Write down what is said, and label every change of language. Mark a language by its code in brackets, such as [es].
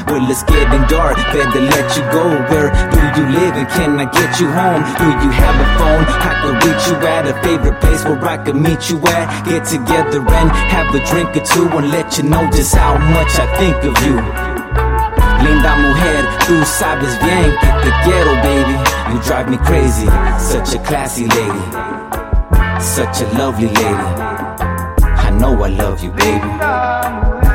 [en] Well, it's getting dark, better let you go. Where do you live and can I get you home? Do you have a phone? I can reach you at a favorite place where I can meet you at. Get together and have a drink or two and let you know just how much I think of you. [es] Linda mujer, tú sabes bien que te quiero, baby. [en] You drive me crazy, such a classy lady, such a lovely lady. I know I love you, baby.